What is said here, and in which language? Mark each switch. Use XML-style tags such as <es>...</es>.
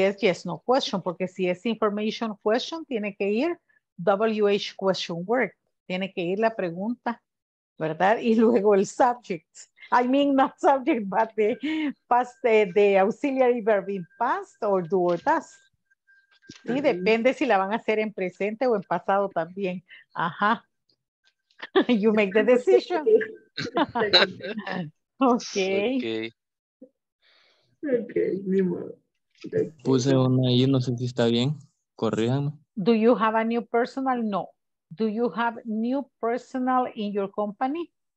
<es>es yes, no question, porque si es information question, tiene que ir WH question word. Tiene que ir la pregunta, ¿verdad? Y luego el subject.</es> <en>I mean, not subject, but the past, the auxiliary verb in past or do or does.</en> <es>Sí, depende si la van a hacer en presente o en pasado también.</es> <en>Ajá. You make the decision. Okay.</en> <es>Puse una ahí, no sé si está bien. Corríjame.</es> <en>Do you have a new personal? No. Do you have new personal in your company?</en>